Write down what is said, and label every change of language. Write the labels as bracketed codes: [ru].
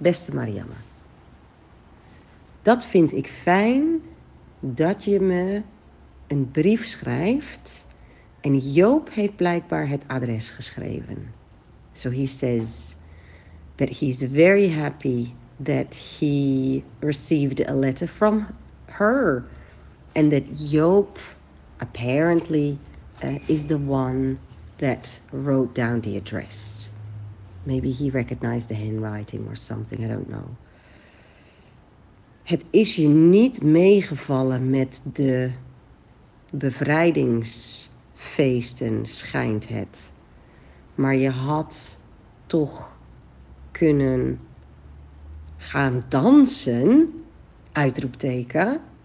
[nl] Beste Marianne, dat vind ik fijn dat je me een brief schrijft. En Joop heeft blijkbaar het adres geschreven. [en] So he says that he's very happy that he received a letter from her. And that Joop apparently is the one that wrote down the address. Maybe he recognized the handwriting or something, I don't know. [nl] Het is je niet meegevallen met de bevrijdingsfeesten, schijnt het. Maar je had toch kunnen gaan dansen, uitroepteken.